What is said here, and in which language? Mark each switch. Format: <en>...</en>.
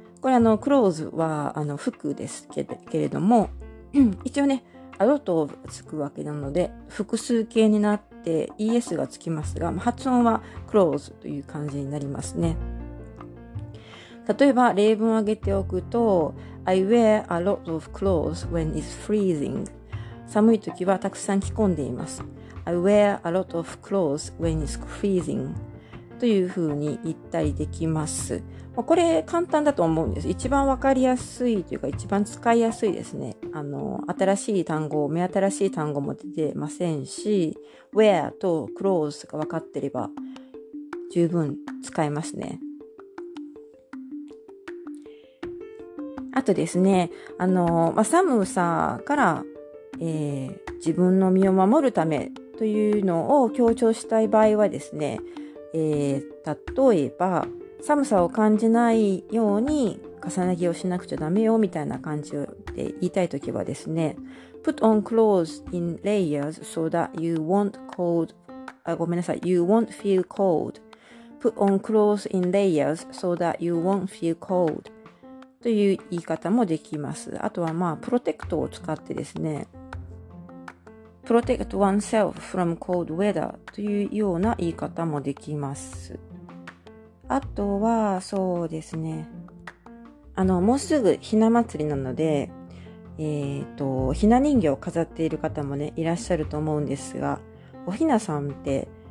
<ja>これclothes は服ですけれども、一応ね、</ja> <en>a lot of</en> <ja>つくわけなので、複数形になって es がつきますが、発音は clothes という感じになりますね。例えば例文を挙げておくと、</ja> <en>I wear a lot of clothes when it's freezing.</en> <ja>寒い時はたくさん着込んでいます。</ja> <en>I wear a lot of clothes when it's freezing.</en> <ja>というふうに言ったりできます。これ簡単だと思うんです。一番わかりやすいというか一番使いやすいですね。目新しい単語も出てませんし、 wear と clothes がわかっていれば十分使えますね。あとですね、寒さから、自分の身を守るためというのを強調したい場合はですね、例えば寒さを感じないように重ね着をしなくちゃダメよみたいな感じで言いたいときはですね、</ja> <en>Put on clothes in layers so that you won't cold.</en> <ja>ごめんなさい、</ja> <en>You won't feel cold. Put on clothes in layers so that you won't feel cold.</en> <ja>という言い方もできます。あとはまあ、プロテクトを使ってですね、</ja> <en>Protect oneself from cold weather</en> <ja>というような言い方もできます。あとは、そうですね、もうすぐひな祭りなので、ひな人形を飾っている方もね、いらっしゃると思うんですが、おひなさんって、</ja>